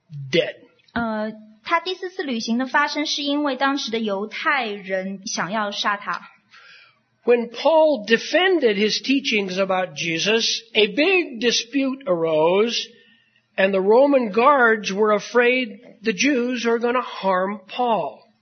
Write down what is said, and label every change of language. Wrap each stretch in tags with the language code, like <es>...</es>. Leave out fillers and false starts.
<en>Dead.</en> <zh>他第四次旅行的发生是因为当时的犹太人想要杀他。</zh> <en>When Paul defended his teachings about Jesus, a big dispute arose, and the Roman guards were afraid the Jews are going to harm Paul.</en>